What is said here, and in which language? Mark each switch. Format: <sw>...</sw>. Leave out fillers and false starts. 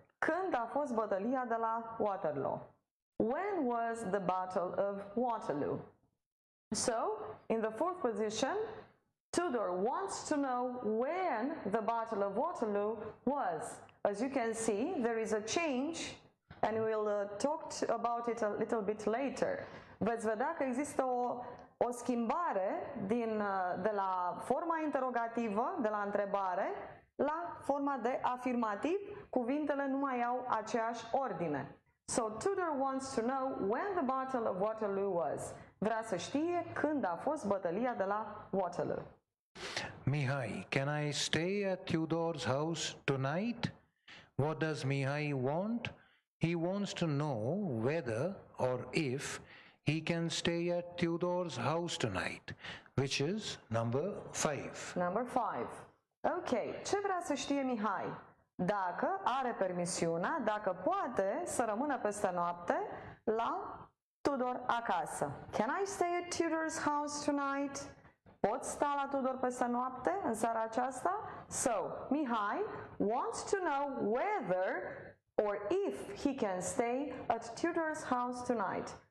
<ro>Când a fost bătălia de la Waterloo?</ro> <en>When was the Battle of Waterloo? So, in the fourth position, Tudor wants to know when the Battle of Waterloo was. As you can see, there is a change, and we'll talk about it a little bit later.</en> <ro>Veți vedea că există o schimbare din, de la forma interrogativă, de la întrebare, la forma de afirmativ. Cuvintele nu mai au aceeași ordine.</ro> <en>So, Tudor wants to know when the Battle of Waterloo was.</en> <ro>Vrea să știe când a fost bătălia de la Waterloo.</ro> <en>Mihai, can I stay at Tudor's house tonight? What does Mihai want? He wants to know whether or if he can stay at Tudor's house tonight, which is number five. Number five.</en> <ro>Ok, ce vrea să știe Mihai? Dacă are permisiunea, dacă poate să rămână peste noapte la Tudor acasă.</ro> <en>Can I stay at Tudor's house tonight?</en> <ro>Pot sta la Tudor peste noapte în seara aceasta?</ro> <en>So, Mihai wants to know whether or if he can stay at Tudor's house tonight.</en>